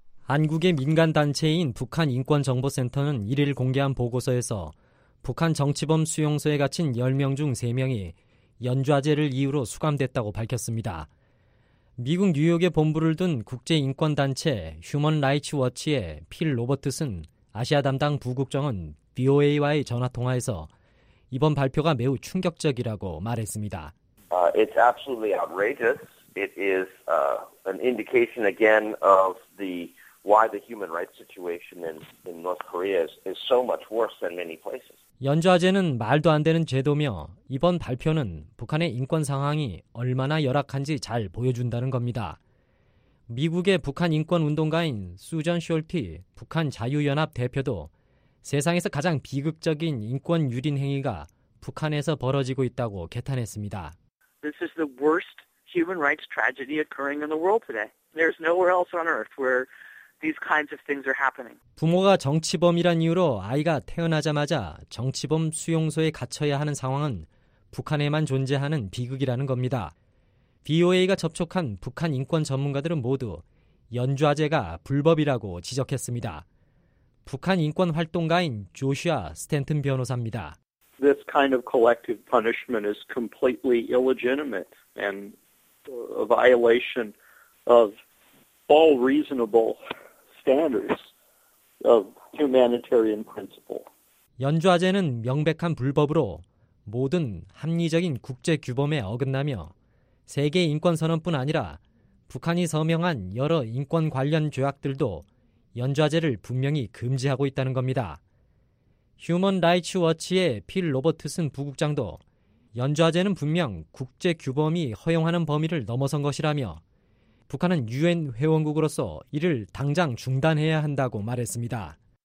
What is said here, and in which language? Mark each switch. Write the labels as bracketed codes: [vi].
[ko] 한국의 민간단체인 북한인권정보센터는 1일 공개한 보고서에서 북한 정치범 수용소에 갇힌 10명 중 3명이 연좌제를 이유로 수감됐다고 밝혔습니다. 미국 뉴욕에 본부를 둔 국제인권단체 휴먼 라이츠 워치의 필 로버트슨 아시아 담당 부국장은 BOA와의 전화통화에서 이번 발표가 매우 충격적이라고 말했습니다. [en] It's absolutely outrageous. It is an indication again of the why the human rights situation in North Korea is so much worse than many places. [ko] 연좌제는 말도 안 되는 제도며 이번 발표는 북한의 인권 상황이 얼마나 열악한지 잘 보여준다는 겁니다. 미국의 북한 인권 운동가인 수전 숄티 북한 자유연합 대표도 세상에서 가장 비극적인 인권 유린 행위가 북한에서 벌어지고 있다고 개탄했습니다. [en] This is the worst human rights tragedy occurring in the world today. There's nowhere else on earth where these kinds of things are happening. [ko] 부모가 정치범이란 이유로 아이가 태어나자마자 정치범 수용소에 갇혀야 하는 상황은 북한에만 존재하는 비극이라는 겁니다. BOA가 접촉한 북한 인권 전문가들은 모두 연좌제가 불법이라고 지적했습니다. 북한 인권 활동가인 조슈아 스탠튼 변호사입니다. [en] This kind of collective punishment is completely illegitimate and a violation of all reasonable standards of humanitarian principle. [ko] 연좌제는 명백한 불법으로 모든 합리적인 국제 규범에 어긋나며 세계 인권 선언뿐 아니라 북한이 서명한 여러 인권 관련 조약들도 연좌제를 분명히 금지하고 있다는 겁니다. 휴먼 라이츠 워치의 필 로버트슨 부국장도 연좌제는 분명 국제 규범이 허용하는 범위를 넘어선 것이라며 북한은 유엔 회원국으로서 이를 당장 중단해야 한다고 말했습니다.